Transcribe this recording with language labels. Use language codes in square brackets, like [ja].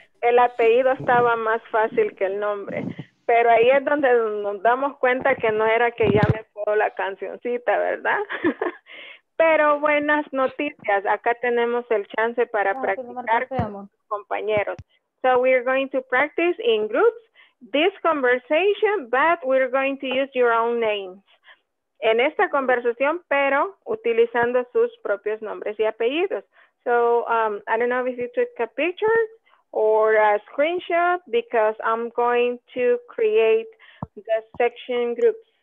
[es] El apellido estaba más fácil que el nombre. Pero ahí es donde nos damos cuenta que no era que ya me puedo la cancioncita, ¿verdad? Pero buenas noticias. Acá tenemos el chance para practicar con los compañeros. [en] So we're going to practice in groups this conversation, but we're going to use your own names. [es] En esta conversación, pero utilizando sus propios nombres y apellidos. [en] So I don't know if you took a picture or a screenshot, because I'm going to create the section groups.